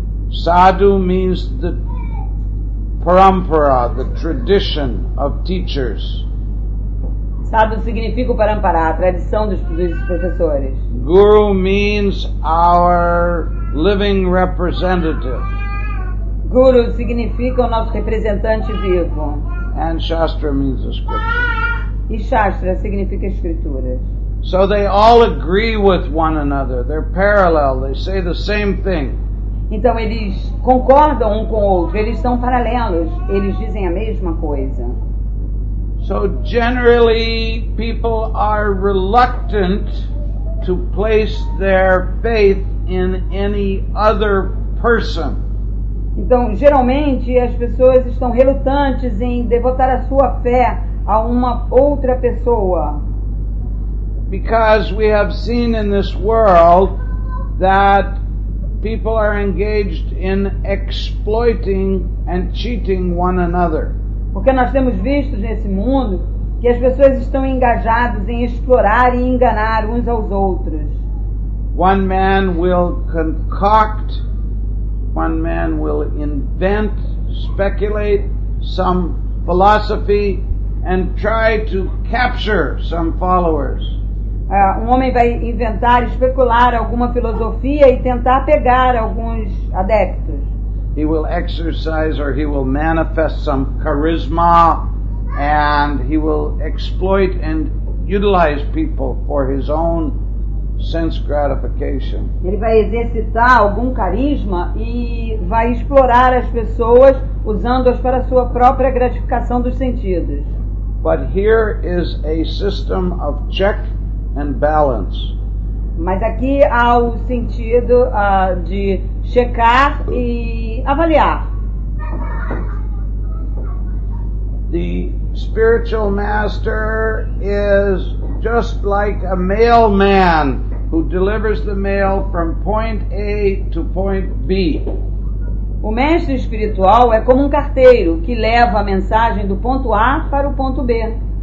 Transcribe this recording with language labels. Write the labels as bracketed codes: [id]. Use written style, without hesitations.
[en] Sadhu means the parampara, the tradition of teachers. [pt] Sadhu significa o parampara, a tradição dos professores. [en] Guru means our living representative. [pt] Guru significa o nosso representante vivo. [en] And Shastra means the scripture. [pt] E Shastra significa escrituras. [en] So they all agree with one another. They're parallel. They say the same thing. [pt] Então eles concordam um com o outro. Eles são paralelos. Eles dizem a mesma coisa. [en] So generally people are reluctant to place their faith in any other person. [pt] Então geralmente as pessoas estão relutantes em devotar a sua fé a uma outra pessoa. [en] Because we have seen in this world that people are engaged in exploiting and cheating one another. [pt] Porque nós temos visto nesse mundo que as pessoas estão engajadas em explorar e enganar uns aos outros. [en] One man will invent, speculate some philosophy and try to capture some followers. [pt] Um homem vai inventar, especular alguma filosofia e tentar pegar alguns adeptos. [en] He will exercise or he will manifest some charisma and he will exploit and utilize people for his own sense gratification. [pt] Ele vai exercitar algum carisma e vai explorar as pessoas usando-as para sua própria gratificação dos sentidos. [en] But here is a system of check and balance. [pt] Mas aqui há o sentido de checar e avaliar. [en] The spiritual master is just like a mailman who delivers the mail from point A to point B. [pt] O mestre espiritual é como um carteiro que leva a mensagem do ponto A para o ponto B.